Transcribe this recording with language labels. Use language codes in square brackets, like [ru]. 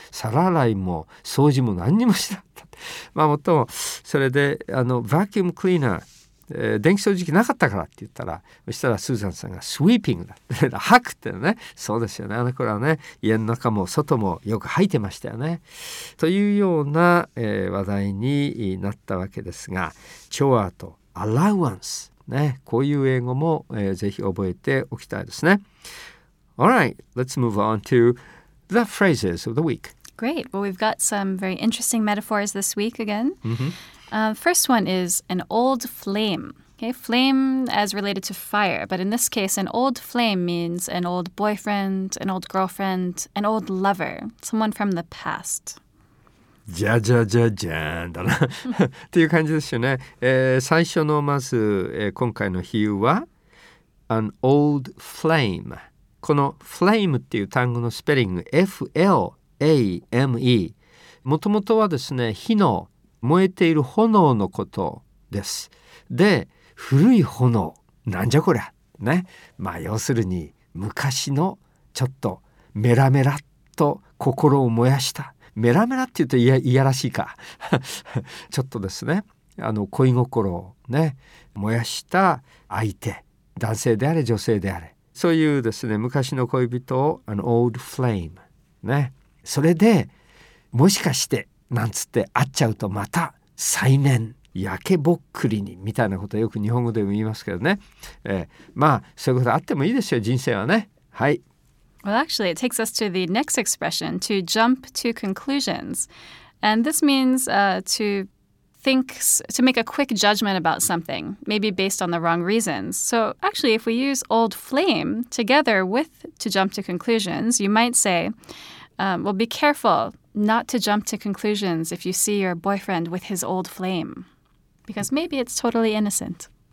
[ja] 皿洗いも掃除も何にもしなかった。まあもっともそれで、あのバキュームクリーナー、電気掃除機なかったからって言ったら、そしたらスーザンさんがスウィーピングだ、吐くってね、そうですよね、あの頃はね、家の中も外もよく吐いてましたよね、というような、話題になったわけですが、チョアとアラウアンスね、こういう英語も、ぜひ覚えておきたいですね。 [en] Alright, let's move on to the phrases of the week. Great. Well, we've got some very interesting metaphors this week again. Mm-hmm. First one is an old flame. Okay, flame as related to fire. But in this case, an old flame means an old boyfriend, an old girlfriend, an old lover, someone from the past. [ja] じゃじゃじゃじゃんだなっていう感じですよね。最初のまず、今回の比喩は [en] an old flame。 [ja] この flame っていう単語のスペリング F-L-A-M-E、 もともとはですね、火の燃えている炎のことです。で、古い炎なんじゃこりゃね。まあ要するに昔のちょっとメラメラっと心を燃やした、メラメラっていうといやらしいかちょっとですね、あの恋心をね燃やした相手、男性であれ女性であれ、そういうですね、昔の恋人を [en] an old flame [ja] ね、それでもしかしてなんつって会っちゃうとまた再燃、焼けぼっくりにみたいなことをよく日本語でも言いますけどね、まあそういうことあってもいいですよ、人生はね。はい。 [en] Well, actually, it takes us to the next expression, to jump to conclusions, and this means to make a quick judgment about something, maybe based on the wrong reasons. So actually, if we use old flame together with to jump to conclusions, you might say, be careful not to jump to conclusions if you see your boyfriend with his old flame, because maybe it's totally innocent.